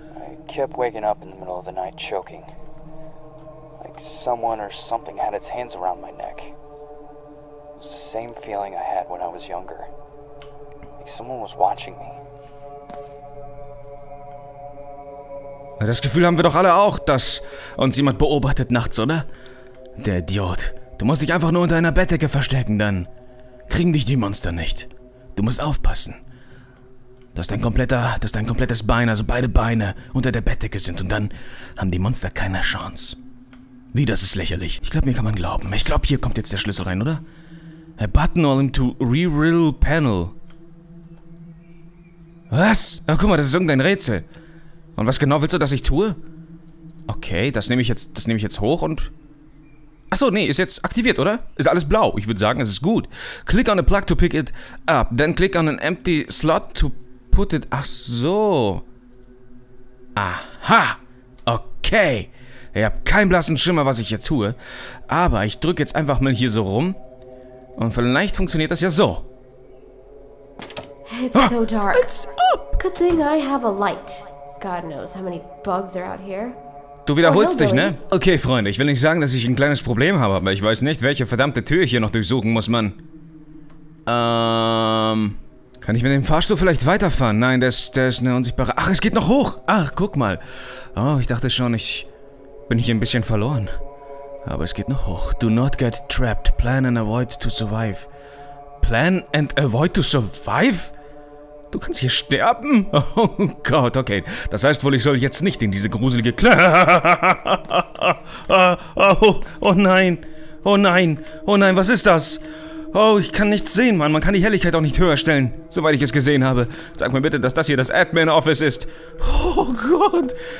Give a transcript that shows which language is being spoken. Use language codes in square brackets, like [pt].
[en] I kept waking up in the middle of the night choking. Like someone or something had its hands around my neck. It was the same feeling I had when I was younger. Like someone was watching me. [de] Das Gefühl haben wir doch alle auch, dass uns jemand beobachtet nachts, oder? Der Idiot. Du musst dich einfach nur unter einer Bettdecke verstecken, dann kriegen dich die Monster nicht. Du musst aufpassen, dass dein komplettes Bein, also beide Beine, unter der Bettdecke sind. Und dann haben die Monster keine Chance. Wie, das ist lächerlich. Ich glaube, mir kann man glauben. Ich glaube, hier kommt jetzt der Schlüssel rein, oder? [en] A button all into re-rill panel. [de] Was? Ach, guck mal, das ist irgendein Rätsel. Und was genau willst du, dass ich tue? Okay, das nehme ich jetzt hoch und... Achso, nee, ist jetzt aktiviert, oder? Ist alles blau. Ich würde sagen, es ist gut. [en] Click on a plug to pick it up. Then click on an empty slot to put it... [de] Ach so. Aha! Okay. Ich habe keinen blassen Schimmer, was ich hier tue. Aber ich drücke jetzt einfach mal hier so rum. Und vielleicht funktioniert das ja so. [en] It's so dark. It's up. Good thing I have a light. God knows how many bugs are out here. [de] Du wiederholst dich, ne? Okay, Freunde, ich will nicht sagen, dass ich ein kleines Problem habe, aber ich weiß nicht, welche verdammte Tür ich hier noch durchsuchen muss, Mann. Kann ich mit dem Fahrstuhl vielleicht weiterfahren? Nein, der ist eine unsichtbare... Ach, es geht noch hoch! Ach, guck mal. Oh, ich dachte schon, ich bin hier ein bisschen verloren. Aber es geht noch hoch. [en] Do not get trapped. Plan and avoid to survive. Plan and avoid to survive? [de] Du kannst hier sterben? Oh Gott, okay. Das heißt wohl, ich soll jetzt nicht in diese gruselige... Oh nein, was ist das? Oh, ich kann nichts sehen, Mann. Man kann die Helligkeit auch nicht höher stellen, soweit ich es gesehen habe. Sag mir bitte, dass das hier das Admin Office ist. Oh Gott.